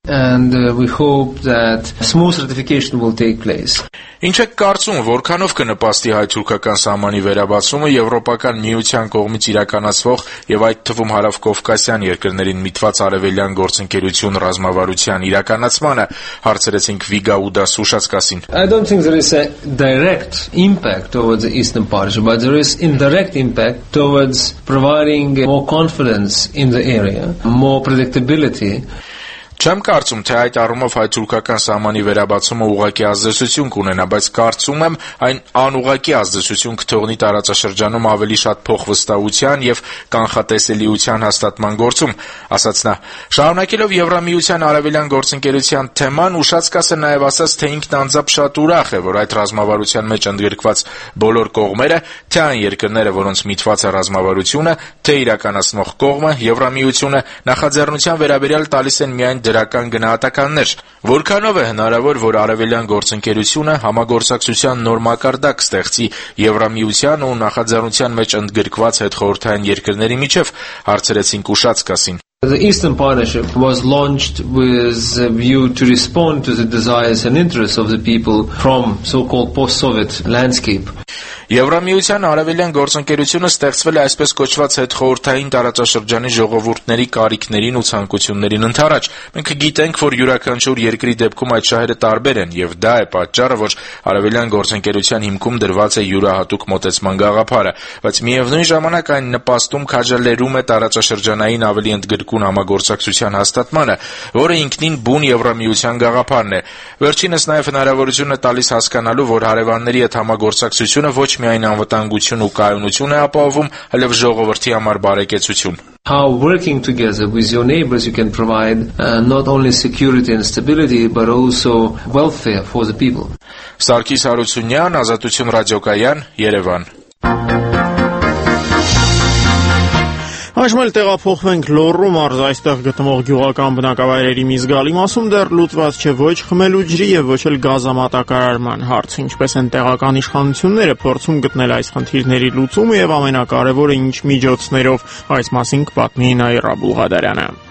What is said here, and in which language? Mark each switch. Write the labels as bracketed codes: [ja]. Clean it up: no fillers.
[en] And we hope that smooth ratification will take place. [hy] Ինչ եք կարծում, որքանով կնպաստի հայ-թուրքական սահմանի վերաբացումը Եվրոպական միության կողմից իրականացվող եւ այդ թվում հարավ-կովկասյան երկրներին միտված արևելյան գործընկերություն ռազմավարության իրականացմանը, հարցրեցինք Վիգա Ուդասուշացկասին։ [en] I don't think there is a direct impact towards the eastern part, but there is indirect impact towards providing more confidence in the area, more predictability. [hy] Չեմ կարծում, թե այդ առումով հայ-թուրքական սահմանի վերաբացումը ուղղակի ազդեցություն կունենա, բայց կարծում եմ, այն անուղղակի ազդեցություն կթողնի տարածաշրջանում ավելի շատ փոխվստահության եւ կանխատեսելիության հաստատման գործում, ասաց նա։ Շարունակելով Եվրամիության արևելյան գործընկերության թեման, Ուշացկասը նաեւ ասաց, թե ինքն անձապ շատ ուրախ է, որ այդ ռազմավարության մեջ ընդգրկված բոլոր կողմերը, թե այն երկրները, որոնց միտված է ռազմավարությունը, թե իրականացնող կողմը, Եվրամիությունը, նախաձեռնության վերաբերյալ տալիս են միայն դրական գնահատականներ, որքանով է հնարավոր, որ արևելյան գործընկերությունը համագործակցության նոր մակարդակ ստեղծի Եվրամիության ու նախաձեռնության մեջ ընդգրկված հետխորհրդային երկրների միջև, հարցրեցին Ուշացկասին։ [en] The Eastern Partnership was launched with a view to respond to the desires and interests of the people from so-called post-Soviet landscape. [hy] Եվրամիության արևելյան գործընկերությունը ստեղծվել է այսպես կոչված հետխորհրդային տարածաշրջանի ժողովուրդների կարիքներին ու ցանկություններին ընդառաջ։ Մենք գիտենք, որ յուրաքանչյուր երկրի դեպքում այդ շահերը տարբեր են, եւ դա է պատճառը, որ արևելյան գործընկերության հիմքում դրված է յուրահատուկ մոտեցման գաղափարը, բայց միևնույն ժամանակ այն նպաստում քաջալերում է տարածաշրջանային ավելի ընդգրկուն համագործակցության հաստատմանը, որը ինքնին բուն Եվրամիության գաղափարն է։ Վերջինս նաեւ հնարավորություն է տալիս հասկանալու, որ հարևանների հետ համագործակցությունը ոչ միայն անվտանգություն ու կայունություն է ապահովում, այլ եւ ժողովրդի համար բարեկեցություն։ [en] How working together with your neighbors you can provide not only security and stability but also welfare for the people. [hy] Սարգիս Հարությունյան, Ազատություն ռադիոկայան, Երևան։ Այժմ էլ տեղափոխվենք Լոռու մարզ, այստեղ գտնվող գյուղական բնակավայրերի մի զգալի մասում դեռ լուծված չէ ոչ խմելու ջրի եւ ոչ էլ գազամատակարարման հարց, ինչպես են տեղական իշխանությունները փորձում գտնել այս խնդիրների լուծումը եւ ամենակարևորը ինչ միջոցներով, այս մասին կպատմի Նաիրա Բուլղադարյանը։